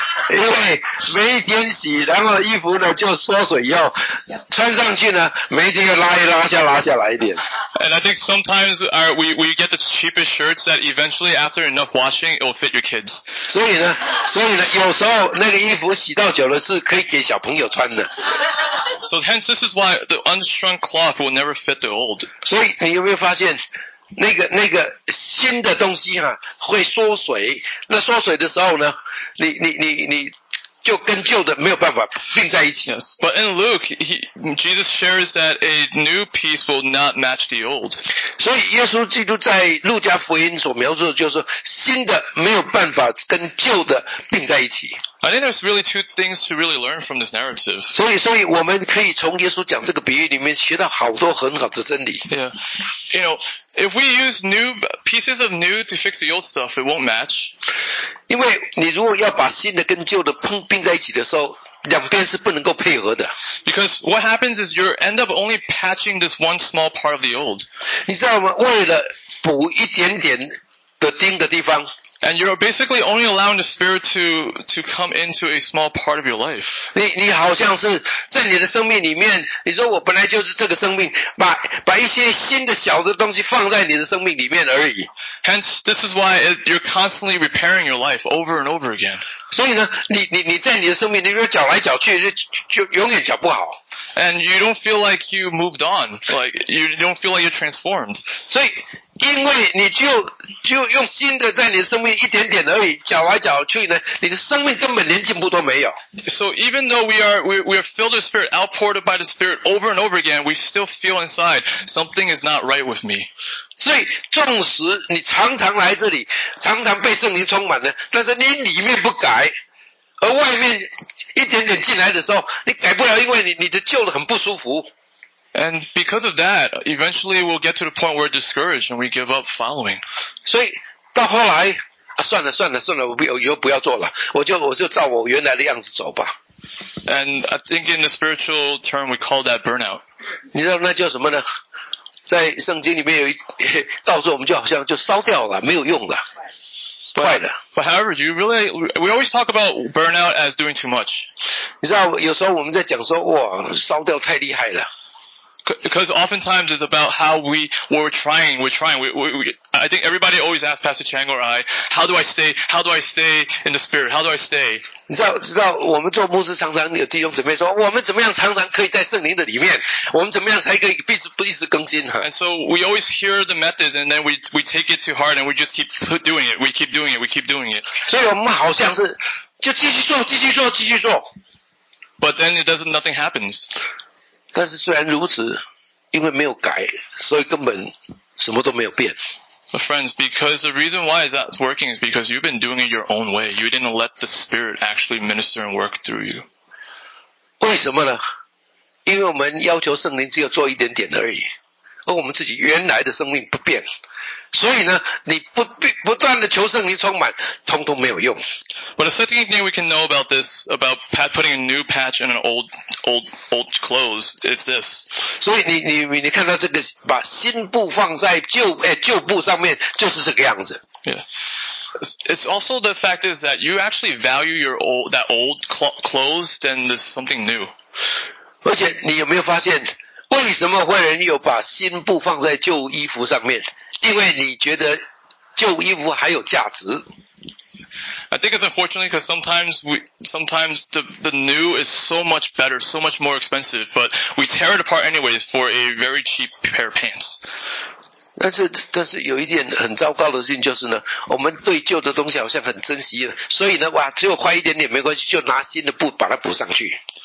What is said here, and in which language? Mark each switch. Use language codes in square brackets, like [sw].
[zh] 因为每一天洗，然后衣服呢就缩水以后，穿上去呢，每一天要拉一拉下拉下来一点。 [en] And I think sometimes we get the cheapest shirts that eventually after enough washing it will fit your kids. [zh] 所以呢有时候那个衣服洗到久了是可以给小朋友穿的。 [en] So hence this is why the unshrunk cloth will never fit the old. [zh] 所以你有没有发现那个新的东西啊会缩水，那缩水的时候呢你就跟旧的没有办法并在一起。 [en] Yes, but in Luke, Jesus shares that a new piece will not match the old. [zh] 所以耶稣基督在路加福音所描述的就是新的没有办法跟旧的并在一起。 [en] I think there's really two things to really learn from this narrative. [zh] 所以我们可以从耶稣讲这个比喻里面学到好多很好的真理。 [en] Yeah. You know, if we use new pieces of new to fix the old stuff, it won't match. [zh] 因为你如果要把新的跟旧的并在一起的时候，两边是不能够配合的。 [en] Because what happens is you end up only patching this one small part of the old. [zh] 你知道吗？为了补一点点的钉的地方。 [en] And you're basically only allowing the spirit to come into a small part of your life. [zh] 你好像是在你的生命里面，你说我本来就是这个生命，把一些新的小的东西放在你的生命里面而已。 [en] Hence, this is why you're constantly repairing your life over and over again. [zh] 所以呢，你在你的生命里面搅来搅去，就永远搅不好。 [en] And you don't feel like you moved on, like you don't feel like you're transformed. [zh] 所以因为你就用新的在你的生命一点点而已，搅来搅去呢，你的生命根本连进步都没有。 [en] So even though we are filled with spirit, outpoured by the spirit over and over again, we still feel inside something is not right with me. [zh] 所以纵使你常常来这里，常常被圣灵充满了，但是你里面不改。而外面一点点进来的时候，你改不了，因为你的旧的很不舒服。 [en] And because of that, eventually we'll get to the point where we're discouraged and we give up following. [zh] 所以到后来，算了，我不要做了，我就照我原来的样子走吧。 [en] And I think in the spiritual term, we call that burnout. [zh] 你知道那叫什么呢？在圣经里面有一，到时候我们就好像就烧掉了，没有用了。 [en] But however, we always talk about burnout as doing too much. [zh] 你知道，有时候我们在讲说，哇，烧掉太厉害了。 [en] Because oftentimes it's about how we're trying. I think everybody always asks Pastor Chang or I, how do I stay in the spirit? How do I stay? [zh] 你知道我们做牧师常常有弟兄姊妹说，我们怎么样常常可以在圣灵的里面？我们怎么样才可以一直更新？ [en] And so we always hear the methods and then we take it to heart and we just keep doing it. We keep doing it. [zh] 所以我们好像是就继续做。 [en] But then nothing happens. [zh] 但是虽然如此，因为没有改，所以根本什么都没有变。 [en] But friends, because the reason why is that's working is because you've been doing it your own way. You didn't let the Spirit actually minister and work through you. [zh] 为什么呢？因为我们要求圣灵只有做一点点而已，而我们自己原来的生命不变。所以呢，你不断的求圣灵充满，通通没有用。 [en] But the second thing we can know about this, about putting a new patch in an old clothes, is this. [zh] 所以你看到这个，把新布放在旧布上面，就是这个样子。 [en] Yeah. It's also the fact is that you actually value your old clothes than this something new. [zh] 而且你有没有发现，为什么会人有把新布放在旧衣服上面？因为你觉得旧衣服还有价值。 [en] I think it's unfortunately because sometimes the new is so much better, so much more expensive, but we tear it apart anyways for a very cheap pair of pants. [zh] 但是有一件很糟糕的事情就是呢，我们对旧的东西好像很珍惜了，所以呢，哇，只有坏一点点没关系，就拿新的布把它补上去。